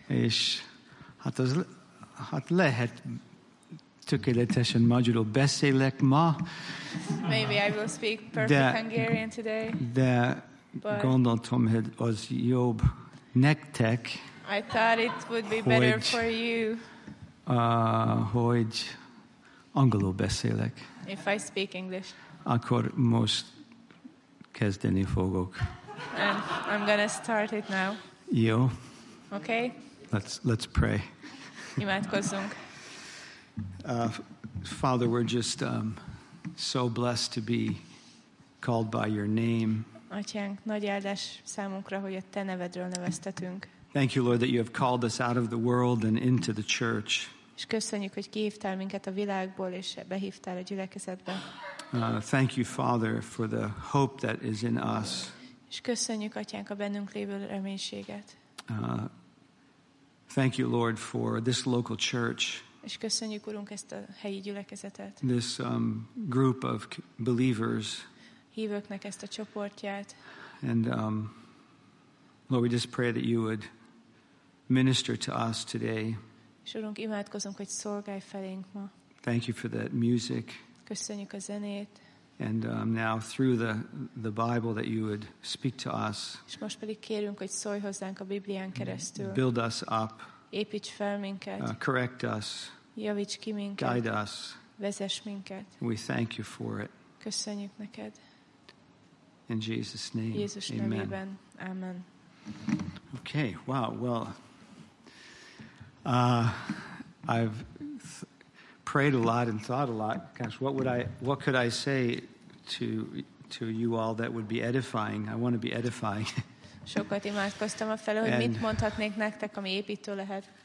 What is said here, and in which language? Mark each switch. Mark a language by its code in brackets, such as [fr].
[hu] És hát az, hát lehet tökéletesen magyarul beszélek ma. [en] Maybe I will speak perfect Hungarian today. [hu] De gondoltam, hogy az jobb nektek. [en] I thought it would be better for you. [hu] Hogy angolul beszélek. [en] If I speak English. [hu] Akkor most kezdeni fogok. [en] And I'm gonna start it now. [hu] Jó. [en] Okay. Let's pray. [hu] Imádkozzunk. [en] Father, we're just so blessed to be called by your name. [hu] Atyánk, nagy áldás számunkra, hogy a te nevedről neveztetünk. [en] Thank you, Lord, that you have called us out of the world and into the church. [hu] És köszönjük, hogy kihívtál minket a világból, és behívtál a gyülekezetbe. [en] Thank you, Father, for the hope that is in us. [hu] És köszönjük, Atyánk, a bennünk lévő reménységet. [en] Thank you, Lord, for this local church. [hu] És köszönjük, Urunk, ezt a helyi gyülekezetet. [en] This group of believers. [hu] Hívőknek ezt a csoportját. [en] And Lord, we just pray that you would minister to us today. [hu] És Urunk, imádkozunk, hogy szolgálj felénk ma. [en] Thank you for that music. [hu] Köszönjük a zenét. [en] And now through the Bible that you would speak to us. [hu] És most pedig kérünk, hogy szólj hozzánk a Biblián keresztül. [en] Build us up. [hu] Építs fel minket. [en] Correct us. [hu] Javíts ki minket. [en] Guide us. [hu] Vezess minket. [en] We thank you for it. [hu] Köszönjük neked. [en] In Jesus' name, [hu] Jézus amen. Nevében. Amen. [en] Okay, wow, well, I've prayed a lot and thought a lot. Gosh, what could I say to you all that would be edifying? I want to be edifying. [hu] Sokat imádkoztam a felé, hogy mit mondhatnék nektek, ami építő lehet.